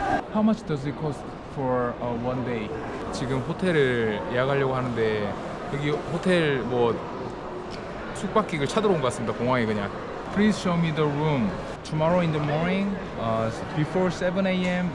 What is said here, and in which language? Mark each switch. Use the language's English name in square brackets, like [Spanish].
[English] How much does it cost for one day? [Korean] 지금 호텔을 예약하려고 하는데 여기 호텔 뭐 숙박객을 찾으러 온 것 같습니다. 공항에 그냥. [English] Please show me the room. Tomorrow in the morning, before 7 a.m.